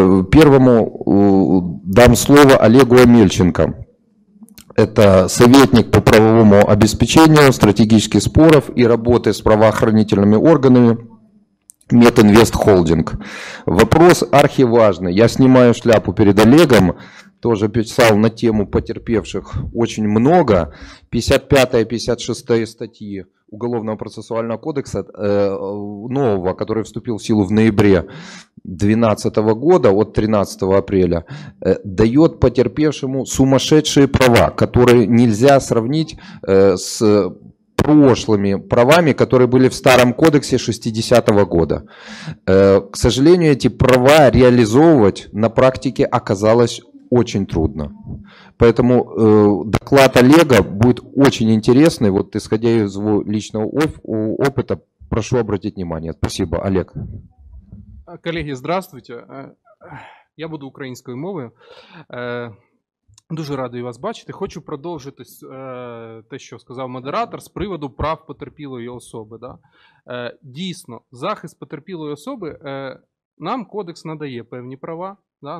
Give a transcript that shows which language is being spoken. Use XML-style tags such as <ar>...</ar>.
<ru>Первому дам слово Олегу Амельченко. Это советник по правовому обеспечению, стратегических споров и работы с правоохранительными органами. Мединвест Холдинг. Вопрос архиважный. Я снимаю шляпу перед Олегом. Тоже писал на тему потерпевших очень много. 55-56 статьи Уголовного процессуального кодекса нового, который вступил в силу в ноябре 2012 года, от 13 апреля, дает потерпевшему сумасшедшие права, которые нельзя сравнить с прошлыми правами, которые были в старом кодексе 60-го года. К сожалению, эти права реализовывать на практике оказалось очень трудно. Поэтому доклад Олега будет очень интересный. Вот исходя из его личного опыта, прошу обратить внимание. Спасибо, Олег. Коллеги, здравствуйте.</ru> <uk>Я буду украинской мовою. Дуже радий вас бачити. Хочу продовжити те, що сказав модератор, з приводу прав потерпілої особи. Да? Дійсно, захист потерпілої особи, нам кодекс надає певні права, да?</uk>